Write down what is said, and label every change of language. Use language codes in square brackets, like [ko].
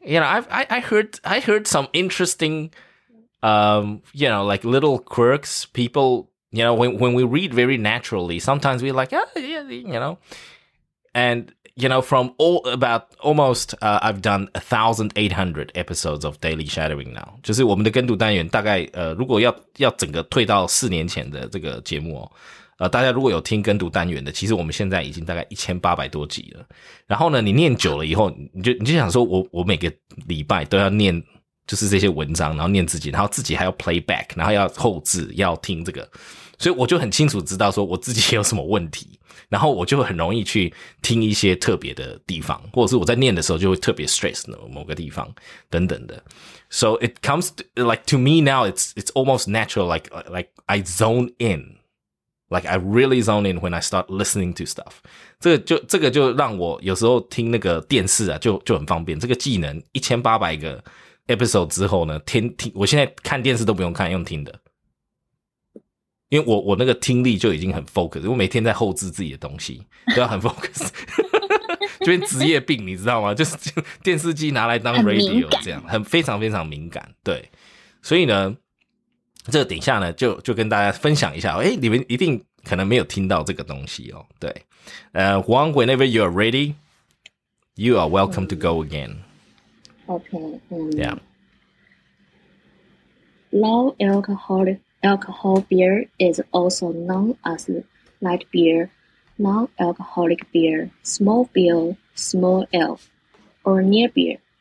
[en] You know, I heard some interesting, you know, like little quirks. People, you know, when we read very naturally, sometimes we're like, oh, yeah, you know. And, you know, from all about almost, I've done 1,800 episodes of Daily Shadowing now. [zh] 就是我们的跟读单元大概，如果要整个退到四年前的这个节目哦。大家如果有听跟读单元的，其实我们现在已经大概1800多集了。然后呢，你念久了以后，你就想说我每个礼拜都要念就是这些文章，然后念自己，然后自己还要 playback， 然后要后置要听这个。所以我就很清楚知道说我自己有什么问题，然后我就很容易去听一些特别的地方，或者是我在念的时候就会特别 stress 某个地方等等的。 [en] So it comes to, like to me now, it's almost natural, like I zone in. Like, I really zone in when I start listening to stuff. [zh] 这个就让我有时候听那个电视啊就很方便。这个技能1800个 episode 之后呢听我现在看电视都不用看用听的。因为我那个听力就已经很 focus, 我每天在后置自己的东西都要很 focus。就变职业病你知道吗就是电视机拿来当 radio, 这样很非常非常敏感对。所以呢这个等一下呢就跟大家分享一下诶你们一定可能没有听到这个东西哦对。 [en] Huang, whenever you are ready, you are welcome to go again. Okay, yeah. Low alcohol beer is also known as light beer, non-alcoholic beer, small beer, small elf, or near beer.